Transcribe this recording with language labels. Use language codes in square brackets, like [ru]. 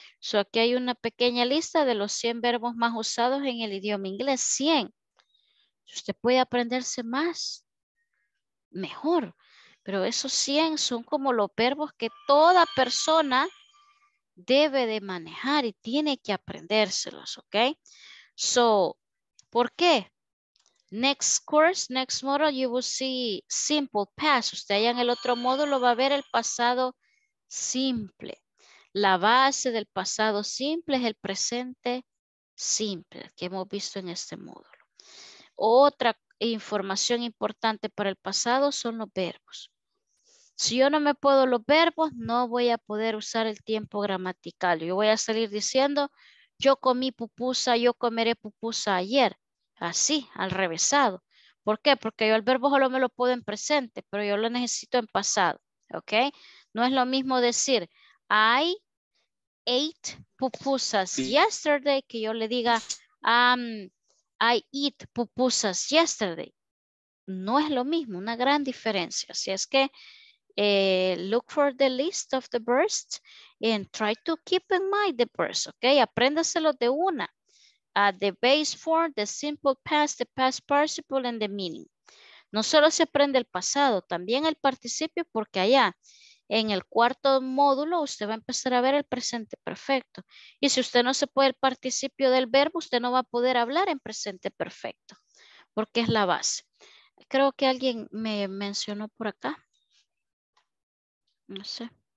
[es] So aquí hay una pequeña lista de los 100 verbos más usados en el idioma inglés. 100. Usted puede aprenderse más. Mejor. Pero esos 100 son como los verbos que toda persona debe de manejar. Y tiene que aprendérselos. Ok. So. ¿Por qué? [en] Next course, next model, you will see simple past. [es] Usted allá en el otro módulo va a ver el pasado simple. La base del pasado simple es el presente simple que hemos visto en este módulo. Otra información importante para el pasado son los verbos. Si yo no me puedo los verbos, no voy a poder usar el tiempo gramatical. Yo voy a salir diciendo, yo comí pupusa, yo comeré pupusa ayer. Así, al revésado. ¿Por qué? Porque yo el verbo solo me lo puedo en presente, pero yo lo necesito en pasado. ¿Ok? No es lo mismo decir, [en] I ate pupusas yesterday, [es] que yo le diga, [en] I eat pupusas yesterday. [es] No es lo mismo, una gran diferencia. Así es que, [en] look for the list of the verbs and try to keep in mind the verbs. ¿Ok? [es] Apréndaselo de una. [en] The base form, the simple past, the past participle, and the meaning. [es] No solo se aprende el pasado, también el participio, porque allá en el cuarto módulo usted va a empezar a ver el presente perfecto. Y si usted no se puede el participio del verbo, usted no va a poder hablar en presente perfecto, porque es la base. Creo que alguien me mencionó por acá. No sé.